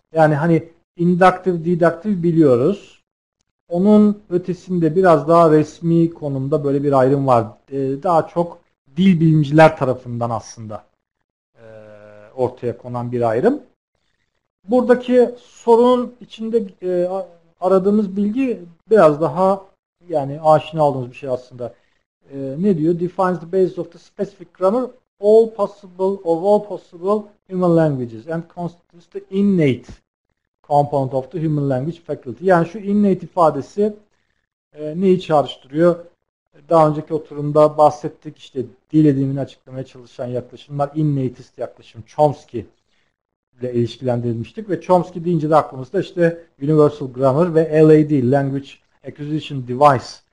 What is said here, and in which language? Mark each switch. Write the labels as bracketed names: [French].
[Turkish] Yani hani indaktif, didaktif biliyoruz. Onun ötesinde biraz daha resmi konumda böyle bir ayrım var. Daha çok dil bilimciler tarafından aslında ortaya konan bir ayrım. Buradaki sorunun içinde aradığımız bilgi biraz daha yani aşina olduğumuz bir şey aslında. Ne diyor? [English] Defines the basis of the specific grammar all possible of all possible human languages and constitutes the innate component of the human language faculty. [Turkish] Yani şu innate ifadesi neyi çağrıştırıyor? Daha önceki oturumda bahsettik işte dil edimini açıklamaya çalışan yaklaşımlar innatist yaklaşım, Chomsky ile ilişkilendirilmiştik ve Chomsky deyince de aklımızda işte Universal Grammar ve LAD, Language Acquisition Device.